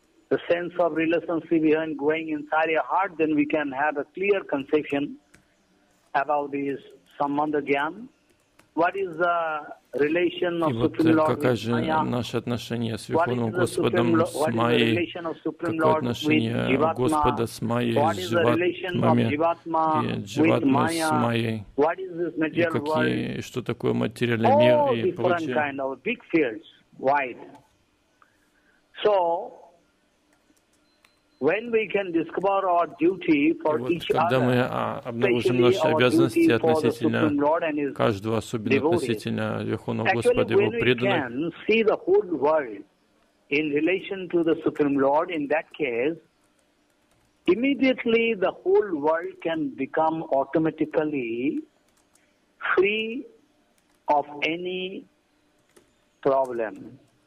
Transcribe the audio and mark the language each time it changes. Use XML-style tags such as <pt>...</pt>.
<en>the sense of relationship behind going inside your heart, then we can have a clear conception about this sambandha jnana. What is the relation of Supreme Lord?</en> <ru>Какая же наше отношение с Верховным Господом, с Майей? Какое отношение Господа с Майей, с Дживатмами, и Дживатма с Майей? Что такое материальный мир и прочее?</ru> <en>All different kind of big fields, wide. So, when we can discover our duty for each other,</en> <ru>обнаружим наши обязанности относительно каждого, особенно относительно Верховного Господа и Его преданных.</ru> <en>Actually, when we can see the whole world in relation to the Supreme Lord, in that case, immediately the whole world can become automatically free of any problem.</en>